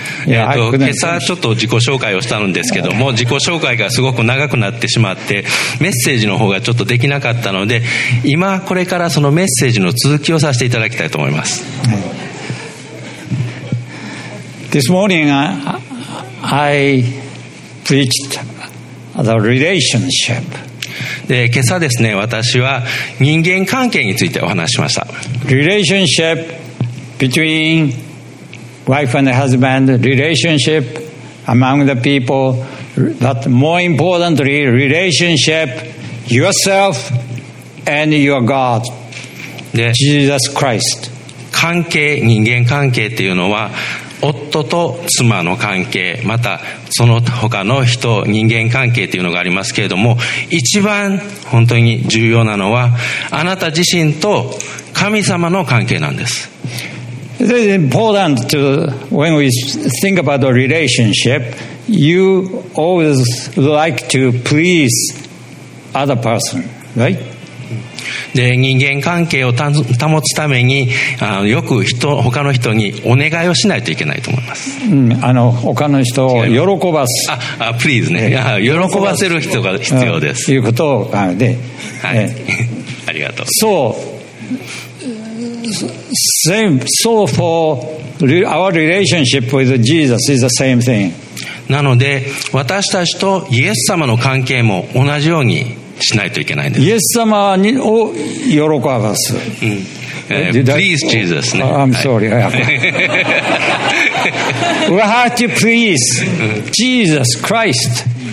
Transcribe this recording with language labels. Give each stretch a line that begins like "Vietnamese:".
Japanese: 今朝ちょっと自己紹介をしたんですけども、自己紹介がすごく長くなってしまって、メッセージの方がちょっとできなかったので、今これからそのメッセージの続きをさせていただきたいと思います。
English: This morning, I preached the relationship.
Japanese: で、今朝ですね、私は人間関係についてお話しました。
English: Relationship between wife and husband, relationship among the people, but more importantly, relationship yourself and your God, Jesus Christ.
Japanese: 関係、人間関係っていうのは、夫と妻の関係、またその他の人、人間関係というのがありますけれども、一番本当に重要なのは、あなた自身と神様の関係なんです。
English: It is important to, when we think about a relationship, you always like to please other person, right?
Japanese: で人間関係を保つためによく他の人にお願いをしないといけないと思います、他の人を喜ばすプリーズね、喜ばせる人が必要ですということで、はい、ありがとう。
English: So, same, so for our relationship with Jesus is the same thing.
Japanese: なので私たちとイエス様の関係も同じようにしないといけないんです。イエス様にを喜ばす。
English: Please Jesus. I'm sorry. We have to please Jesus Christ.